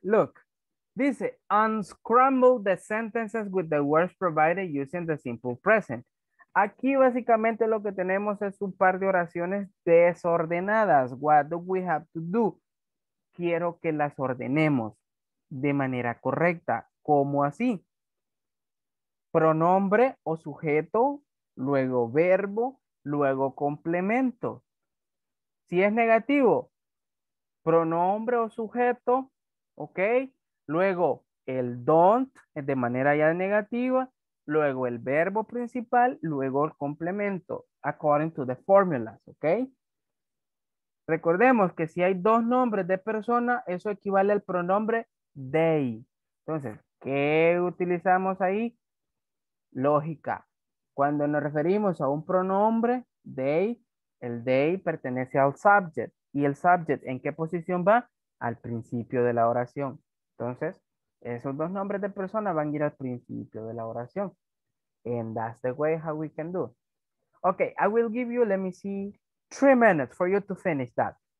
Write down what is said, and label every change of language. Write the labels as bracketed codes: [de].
[en] Look, dice, unscramble the sentences with the words provided using the simple present. [es] Aquí básicamente lo que tenemos es un par de oraciones desordenadas. [en] What do we have to do? [es] Quiero que las ordenemos de manera correcta. ¿Cómo así? Pronombre o sujeto, luego verbo, luego complemento. Si es negativo, pronombre o sujeto, ok, luego el don't de manera ya negativa, luego el verbo principal, luego el complemento, [en] according to the formulas, [es] ok. Recordemos que si hay dos nombres de persona, eso equivale al pronombre they. Entonces, ¿qué utilizamos ahí? Lógica. Cuando nos referimos a un pronombre, they, el they pertenece al subject. ¿Y el subject en qué posición va? Al principio de la oración. Entonces, esos dos nombres de personas van a ir al principio de la oración. [en] And that's the way how we can do. Okay, I will give you, let me see, 3 minutes for you to finish that.